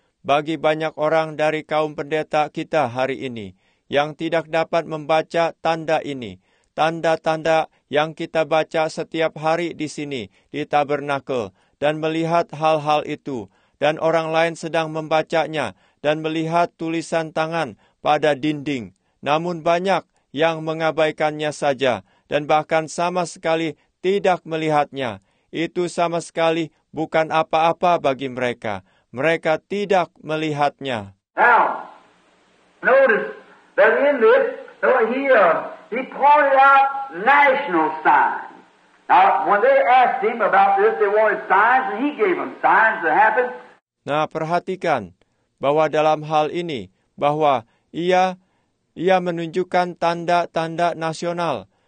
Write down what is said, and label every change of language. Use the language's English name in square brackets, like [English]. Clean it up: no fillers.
[Indonesian] Bagi banyak orang dari kaum pendeta kita hari ini yang tidak dapat membaca tanda ini, tanda-tanda yang kita baca setiap hari di sini, di tabernakel, dan melihat hal-hal itu, dan orang lain sedang membacanya, dan melihat tulisan tangan pada dinding. Namun banyak yang mengabaikannya saja, dan bahkan sama sekali tidak melihatnya. Itu sama sekali bukan apa-apa bagi mereka. Mereka tidak melihatnya. [English] Now, notice that in this, he pointed out national signs. Now, when they asked him about this, they wanted signs, and he gave them signs that happened. [Indonesian] Nah, perhatikan bahwa dalam hal ini, bahwa ia menunjukkan tanda-tanda nasional.